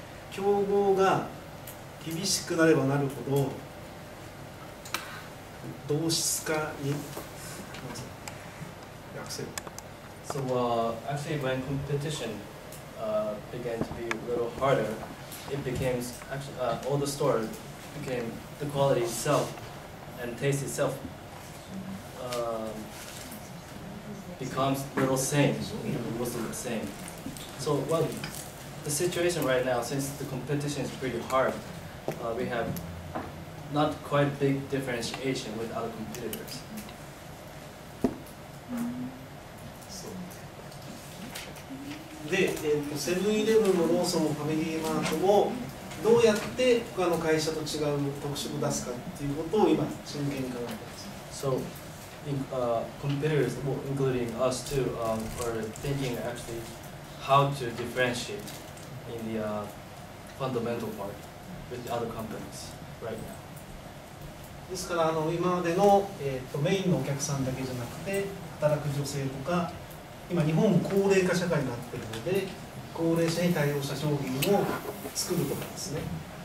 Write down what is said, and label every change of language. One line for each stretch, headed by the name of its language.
Japanese: 競合が厳しくなればなるほど同質化に。訳せる。
English: So, actually, when competition began to be a little harder, it became actually all the store became the quality itself and taste itself becomes little same, mostly the same. So well, the situation right now, since the competition is pretty hard, we have not quite big differentiation with other competitors.
Japanese: で、セブンイレブンもローソンもファミリーマートもどうやって他の会社と違う特色を出すかっていうことを今真剣に考えています。
English: So, competitors, including us too, are thinking actually how to differentiate in the fundamental part with the other companies right now.
Japanese: ですから今までの、メインのお客さんだけじゃなくて働く女性とか今日本も高齢化社会になっているので、高齢者に対応した商品を作るとかですね。